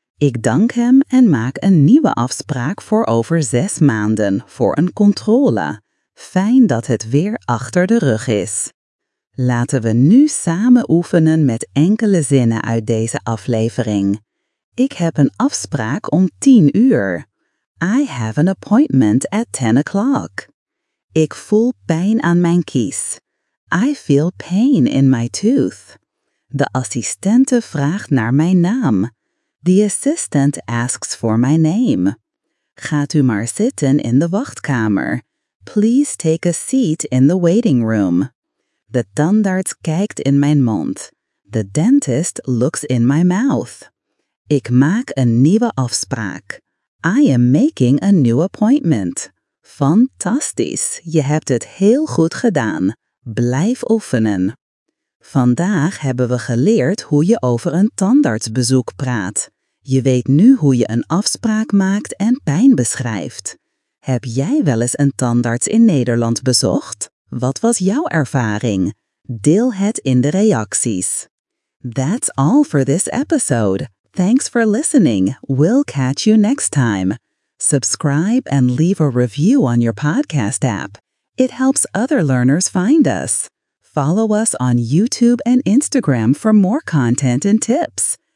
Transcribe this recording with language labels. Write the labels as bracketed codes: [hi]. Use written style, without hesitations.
[nl] Ik dank hem en maak een nieuwe afspraak voor over 6 maanden, voor een controle. Fijn dat het weer achter de rug is. Laten we nu samen oefenen met enkele zinnen uit deze aflevering. Ik heb een afspraak om 10:00. [en] I have an appointment at 10:00. [nl] Ik voel pijn aan mijn kies. [en] I feel pain in my tooth. [nl] De assistente vraagt naar mijn naam. [en] The assistant asks for my name. [nl] Gaat u maar zitten in de wachtkamer. [en] Please take a seat in the waiting room. [nl] De tandarts kijkt in mijn mond. [en] The dentist looks in my mouth. [nl] Ik maak een nieuwe afspraak. [en] I am making a new appointment. [nl] Fantastisch, je hebt het heel goed gedaan. Blijf oefenen. Vandaag hebben we geleerd hoe je over een tandartsbezoek praat. Je weet nu hoe je een afspraak maakt en pijn beschrijft. Heb jij wel eens een tandarts in Nederland bezocht? Wat was jouw ervaring? Deel het in de reacties. [en] That's all for this episode. Thanks for listening. We'll catch you next time. Subscribe and leave a review on your podcast app. It helps other learners find us. Follow us on YouTube and Instagram for more content and tips.